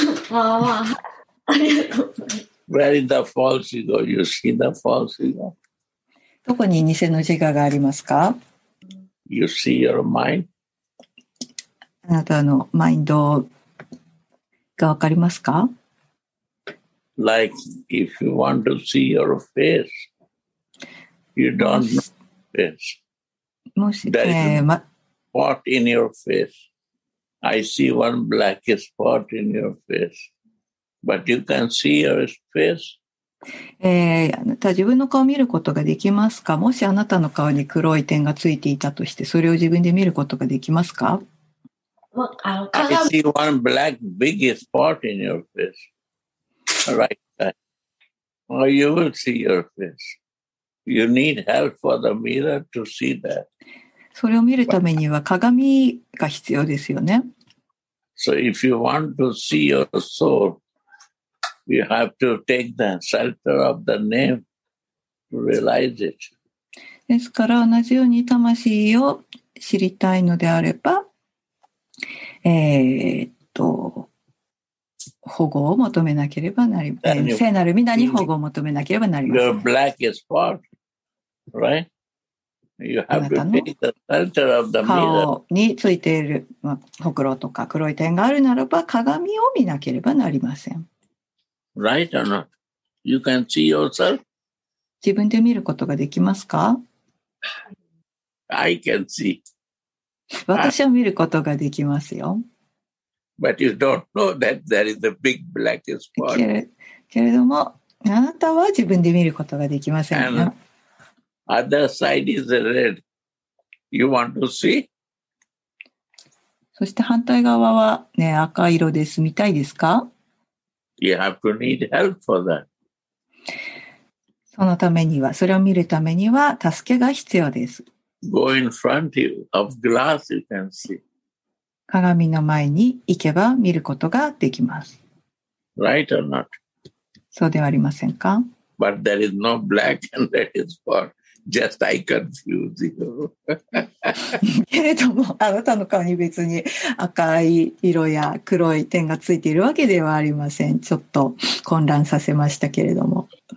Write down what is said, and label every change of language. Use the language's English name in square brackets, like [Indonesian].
[Japanese] まあまあ、ありがとうございます。 [English] Where is the false ego? You see the false ego? [Japanese] どこに偽の自我がありますか? [English] You see your mind? [Japanese] あなたのマインドがわかりますか? [English] Like if you want to see your face, you don't know face. [Japanese] もし、 [English] spot in your face. I see one black spot in your face. But you can see your face. [Japanese] あなた自分の顔を見ることができますか?もしあなたの顔に黒い点がついていたとして、それを自分で見ることができますか? [English] あの、I see one black big spot in your face. Right. Or you will see your face. You need help for the mirror to see that. [Japanese] それを見るためには鏡が必要ですよね。 [English] So if you want to see your soul,You have to take the shelter of the name to realize it. [Japanese] ですから同じように魂を知りたいのであれば、保護を求めなければなりません。聖なる皆に保護を求めなければなりません。 [English] Your black spot, right? You have to take the center of the mirror. [Japanese] 顔についている、まあ、ほくろとか黒い点があるならば鏡を見なければなりません。 [English] Right or not? You can see yourself? [Japanese] 自分で見ることができますか? [English] I can see. [Japanese] 私は見ることができますよ。 [English] But you don't know that there is a big black spot. [Japanese] けれども、あなたは自分で見ることができませんよ。 [English] Other side is red. You want to see? [Japanese] そして反対側は、ね、赤色です。見たいですか? [English] You have to need help for that. [Japanese] そのためには、それを見るためには助けが必要です。 [English] Go in front of you. Of glass you can see. [Japanese] 鏡の前に行けば見ることができます。 [English] Right or not? [Japanese] そうではありませんか? [English] But there is no black and red spot. Just I confuse you. [Japanese] けれども、あなたの顔に別に赤い色や黒い点がついているわけではありません。ちょっと混乱させましたけれども。